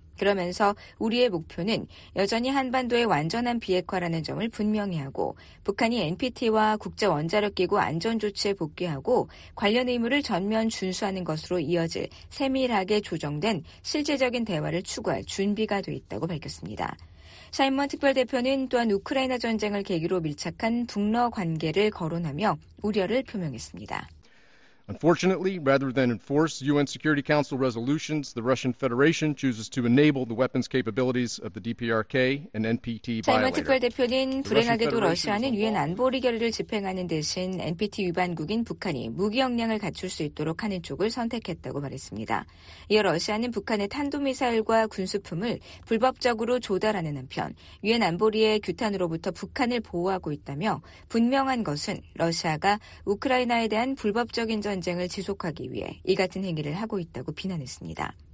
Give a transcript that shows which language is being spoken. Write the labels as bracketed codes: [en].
[ko] 그러면서 우리의 목표는 여전히 한반도의 완전한 비핵화라는 점을 분명히 하고 북한이 NPT와 국제원자력기구 안전조치에 복귀하고 관련 의무를 전면 준수하는 것으로 이어질 세밀하게 조정된 실질적인 대화를 추구할 준비가 돼 있다고 밝혔습니다. 샤인먼 특별대표는 또한 우크라이나 전쟁을 계기로 밀착한 북러 관계를 거론하며 우려를 표명했습니다. [en] Unfortunately, rather than enforce UN Security Council resolutions, the Russian Federation chooses to enable the weapons capabilities of the DPRK and NPT violator. [ko] 샤이먼 특별대표는 불행하게도 러시아는 UN 안보리 결의를 집행하는 대신 NPT 위반국인 북한이 무기 역량을 갖출 수 있도록 하는 쪽을 선택했다고 말했습니다. 이어 러시아는 북한의 탄도미사일과 군수품을 불법적으로 조달하는 한편 UN 안보리의 규탄으로부터 북한을 보호하고 있다며 분명한 것은 러시아가 우크라이나에 대한 불법적인 전쟁을 지속하기 위해 이 같은 행위를 하고 있다고 비난했습니다.